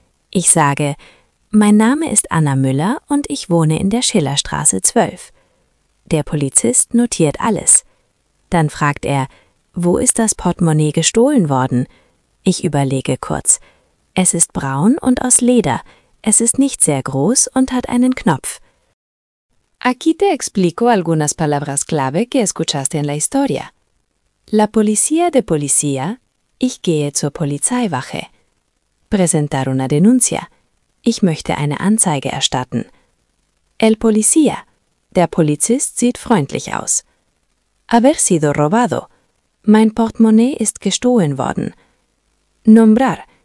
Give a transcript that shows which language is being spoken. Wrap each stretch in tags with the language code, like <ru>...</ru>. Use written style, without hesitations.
<de>Ich sage, Mein Name ist Anna Müller und ich wohne in der Schillerstraße 12. Der Polizist notiert alles. Dann fragt er, Wo ist das Portemonnaie gestohlen worden? Ich überlege kurz. Es ist braun und aus Leder. Es ist nicht sehr groß und hat einen Knopf.</de> <es>Aquí te explico algunas palabras clave que escuchaste en la historia. La policía de policía.</es> <de>Ich gehe zur Polizeiwache.</de> <es>Presentar una denuncia.</es> <de>Ich möchte eine Anzeige erstatten.</de> <es>El policía.</es> <de>Der Polizist sieht freundlich aus.</de> <es>Haber sido robado.</es> <de>Mein Portemonnaie ist gestohlen worden.</de> <es>Nombrar.</es>